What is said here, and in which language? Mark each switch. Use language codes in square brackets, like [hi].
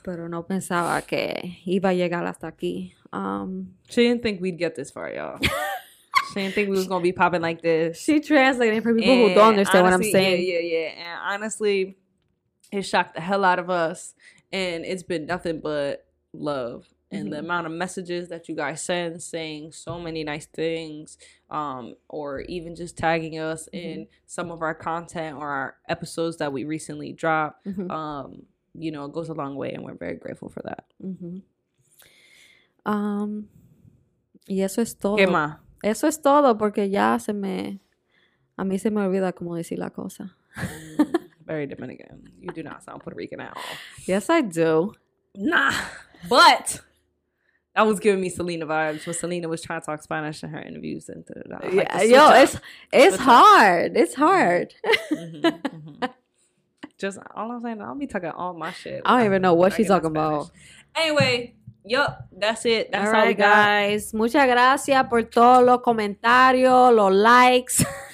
[es] Pero no pensaba que iba a llegar hasta aquí. [en] She didn't think we'd get this far, y'all. She didn't think we was going to be popping like this. She translating for people and who don't understand honestly, what I'm saying. Yeah. And honestly, it shocked the hell out of us. And it's been nothing but love. Mm-hmm. And the amount of messages that you guys send saying so many nice things or even just tagging us mm-hmm. in some of our content or our episodes that we recently dropped, mm-hmm. You know, it goes a long way. And we're very grateful for that. [es] Mm-hmm. Y eso es todo. ¿Qué más? Eso es todo porque ya se me a mí se me olvida cómo decir la cosa. [en] Very Dominican. You do not sound Puerto Rican at all. Yes, I do. Nah. But that was giving me Selena vibes when Selena was trying to talk Spanish in her interviews and da, da, da. Yeah, like, yo, it's hard. It's hard. Mm-hmm. Just all I'm saying, I'll be talking all my shit. I don't even know what she's talking about. Anyway, yup, that's it. That's all right, we got. Guys. [es] Muchas gracias por todos los comentarios, los likes.